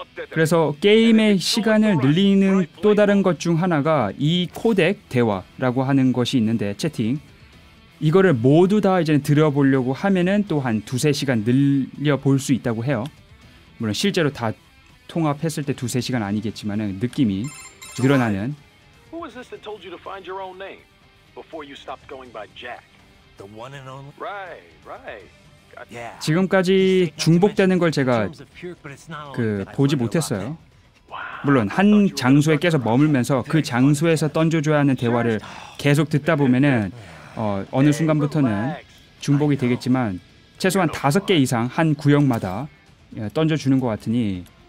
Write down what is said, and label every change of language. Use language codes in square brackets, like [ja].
[ko] 그래서 게임의 시간을 늘리는 또 다른 것 중 하나가 이 코덱 대화라고 하는 것이 있는데 채팅 이거를 모두 다 이제 들어보려고 하면은 또 한 두세 시간 늘려 볼 수 있다고 해요. 물론 실제로 다 통합했을 때 두세 시간 아니겠지만은 느낌이 늘어나는. [en] Who was this that told you to find your own name before you stopped going by Jack? The one and only. Right, right. Yeah. [ko] 지금까지 중복되는 걸 제가 그 보지 못했어요. 물론 한 장소에 계속 머물면서 그 장소에서 던져줘야 하는 대화를 계속 듣다 보면은 어느 순간부터는 중복이 되겠지만 최소한 다섯 개 이상 한 구역마다 던져주는 것 같으니.